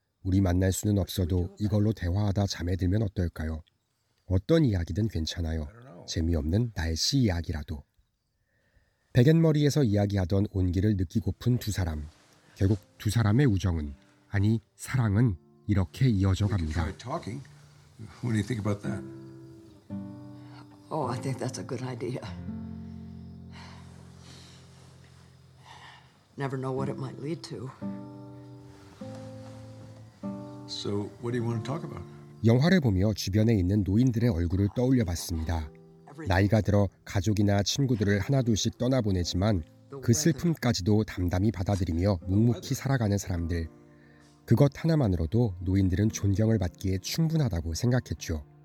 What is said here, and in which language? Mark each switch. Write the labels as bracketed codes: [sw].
[ko] 우리 만날 수는 없어도 이걸로 대화하다 잠에 들면 어떨까요? 어떤 이야기든 괜찮아요. 재미없는 날씨 이야기라도. 베갯머리에서 이야기하던 온기를 느끼고픈 두 사람. 결국 두 사람의 우정은, 아니 사랑은 이렇게 이어져 갑니다. [en] What do you think about that? Oh, I think that's a good idea. Never know what it might lead to. So, what do you want to talk about? [ko] 영화를 보며 주변에 있는 노인들의 얼굴을 떠올려 봤습니다. 나이가 들어 가족이나 친구들을 하나둘씩 떠나보내지만 그 슬픔까지도 담담히 받아들이며 묵묵히 살아가는 사람들. 그것 하나만으로도 노인들은 존경을 받기에 충분하다고 생각했죠.